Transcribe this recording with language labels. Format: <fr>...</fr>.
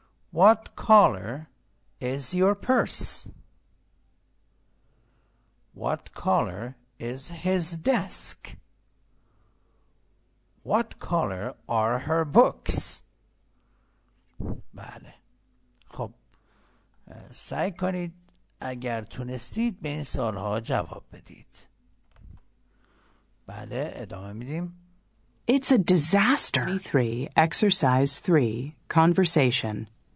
<en>What color is your purse? What color is his desk? What color are her books?</en> <fa>بله. خب سعی کنید اگر تونستید به این سوال‌ها جواب بدید. بله، ادامه میدیم.</fa> <en>It's a disaster. 23 exercise 3 conversation.</en>